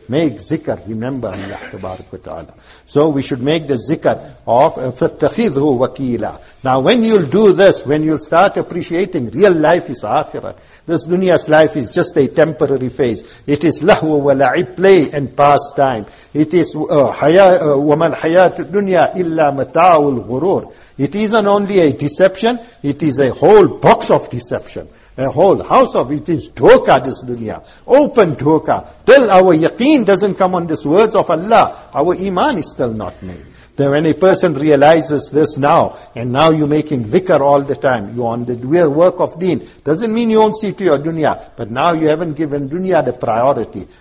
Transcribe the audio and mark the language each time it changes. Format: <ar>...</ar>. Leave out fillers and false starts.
<en>Make zikr, remember Allah tabarak wa ta'ala. So we should make the zikr of</en> <ar>فَتَّخِذْهُ wakila.</ar> <en>Now when you'll do this, when you'll start appreciating real life is akhirah. This dunya's life is just a temporary phase. It is</en> <ar>lahu wa la'ib,</ar> <en>play and pastime. It is</en> <ar>وَمَا الْحَيَاةُ الدُّنْيَا إِلَّا مَتَاعُ الْغُرُورِ.</ar> <en>It isn't only a deception, it is a whole box of deception. A whole house of it is dhoka, this dunya. Open dhoka. Till our yaqeen doesn't come on these words of Allah, our iman is still not made. Then when a person realizes this now, and now you're making dhikr all the time, you're on the real work of deen, doesn't mean you won't see to your dunya, but now you haven't given dunya the priority.</en>